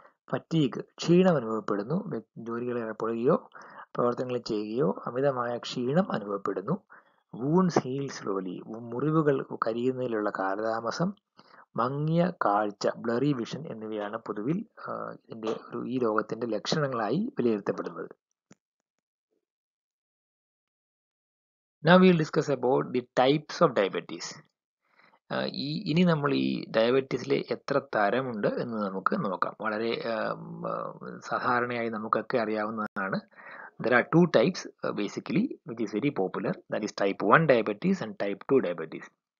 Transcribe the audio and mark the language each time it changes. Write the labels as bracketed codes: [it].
[ml] Fatigue, ക്ഷീണം അനുഭവപ്പെടുന്നു, ജോലികൾ ഏർപ്പെടുകയോ പ്രവർത്തനങ്ങൾ ചെയ്യുകയോ അമിതമായ ക്ഷീണം അനുഭവപ്പെടുന്നു, [en] wounds heal slowly, [ml] മുറിവുകൾ കരിയുന്നതിലുള്ള കാലതാമസം, മങ്ങിയ കാഴ്ച, ബ്ലറി വിഷൻ എന്നിവയാണ് പൊതുവിൽ ഇതിൻ്റെ ഒരു ഈ രോഗത്തിൻ്റെ ലക്ഷണങ്ങളായി വിലയിരുത്തപ്പെടുന്നത്. [en] Now we will discuss about the types of diabetes. [ml] ഇനി നമ്മൾ ഈ ഡയബറ്റീസിലെ എത്ര തരമുണ്ട് എന്ന് നമുക്ക് നോക്കാം. വളരെ സാധാരണയായി നമുക്കൊക്കെ അറിയാവുന്നതാണ്, [en] There are two types basically which is very popular, that is type 1 diabetes and type 2 diabetes.